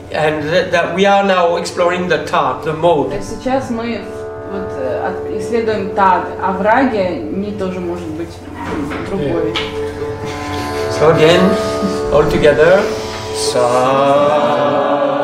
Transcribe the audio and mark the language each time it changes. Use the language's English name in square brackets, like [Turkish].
[English] And that we are now exploring the tat, the mode. [Russian] Сейчас мы вот исследуем тат, а в раге ни тоже может быть другой. [English] So again, all together. So